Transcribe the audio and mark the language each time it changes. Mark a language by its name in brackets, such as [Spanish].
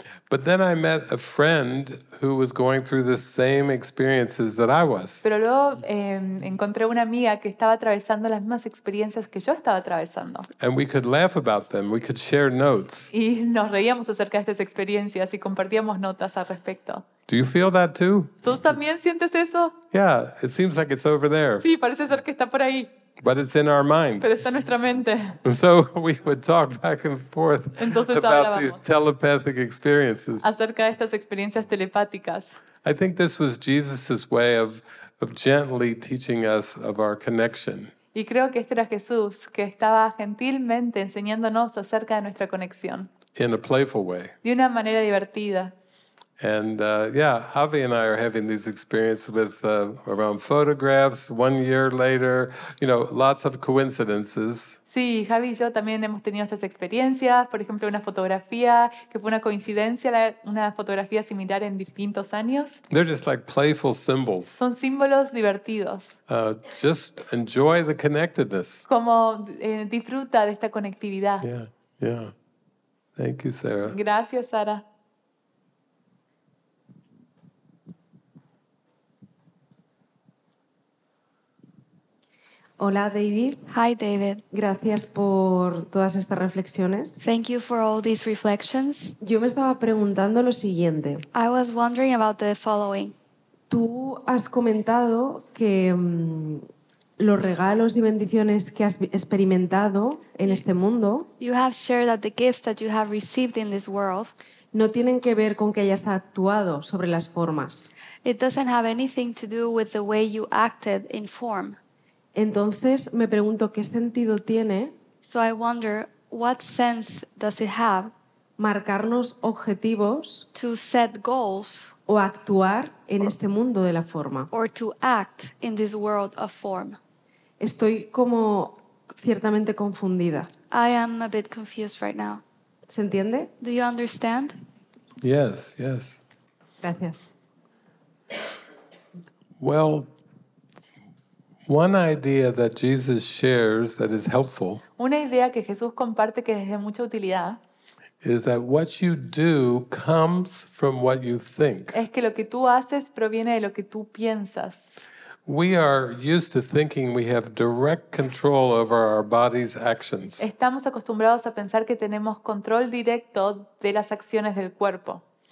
[English] But then I met a friend who was going through the same experiences that I was. [Spanish] Pero luego encontré una amiga que estaba atravesando las mismas experiencias que yo estaba atravesando. [English] And we could laugh about them. We could share notes. [Spanish] Y nos reíamos acerca de estas experiencias y compartíamos notas al respecto. [English] Do you feel that too? [Spanish] ¿Tú también sientes eso? [English] Yeah, it seems like it's over there. [Spanish] Sí, parece ser que está por ahí. [English] But it's in our mind. [Spanish] Pero está en nuestra mente. [English] And so we would talk back and forth. [Spanish] Entonces, [English] about these telepathic experiences. [Spanish] Acerca de estas experiencias telepáticas. [English] I think this was Jesus's way of gently teaching us of our connection. [Spanish] Y creo que este era Jesús que estaba gentilmente enseñándonos acerca de nuestra conexión. [English] In a playful way. [Spanish] De una manera divertida. [English] And Javi and I are having these experiences with around photographs 1 year later, you know, lots of coincidences. [Spanish] Sí, Javi y yo también hemos tenido estas experiencias. Por ejemplo, una fotografía que fue una coincidencia, una fotografía similar en distintos años. [English] They're just like playful symbols. [Spanish] Son símbolos divertidos. [English] Just enjoy the connectedness. [Spanish] Como disfruta de esta conectividad. [English] Yeah, yeah. Thank you, Sarah. [Spanish] Gracias, Sara. Hola, David. [English] Hi, David. [Spanish] Gracias por todas estas reflexiones. [English] Thank you for all these reflections. [Spanish] Yo me estaba preguntando lo siguiente. [English] I was wondering about the following. [Spanish] Tú has comentado que los regalos y bendiciones que has experimentado en este mundo, [English] you have shared that the gifts that you have received in this world, [Spanish] no tienen que ver con que hayas actuado sobre las formas. [English] It doesn't have anything to do with the way you acted in form. [Spanish] Entonces me pregunto qué sentido tiene. [English] So I wonder, what sense does it have [Spanish] marcarnos objetivos, [English] to set goals, [Spanish] o actuar en este mundo de la forma. [English] Or to act in this world of form. [Spanish] Estoy como ciertamente confundida. [English] I am a bit confused right now. [Spanish] ¿Se entiende? [English] Do you understand? Yes, yes. [Spanish] Gracias. [English] Well, one idea that Jesus shares that is helpful. [Spanish] Una idea que Jesús comparte que es de mucha utilidad. [English] Is that what you do comes from what you think. [Spanish] Es que lo que tú haces proviene de lo que tú piensas. [English] We are used to thinking we have direct control over our body's actions. [Spanish] Estamos acostumbrados a pensar que tenemos control directo de las acciones del cuerpo.